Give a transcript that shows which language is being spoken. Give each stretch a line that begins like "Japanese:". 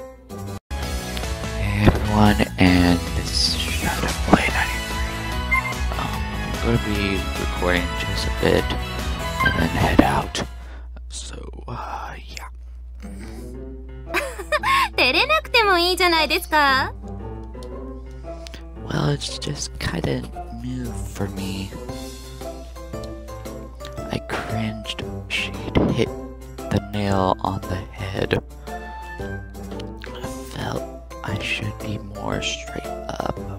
English: Hey everyone, and this is ShadowPlay93. I'm gonna be recording just a bit and then head out. So, yeah.
Japanese: 照れなくてもいいじゃないですか?
English: Well, it's just kind of new for me. I cringed she'd hit the nail on the head. I felt I should be more straight up.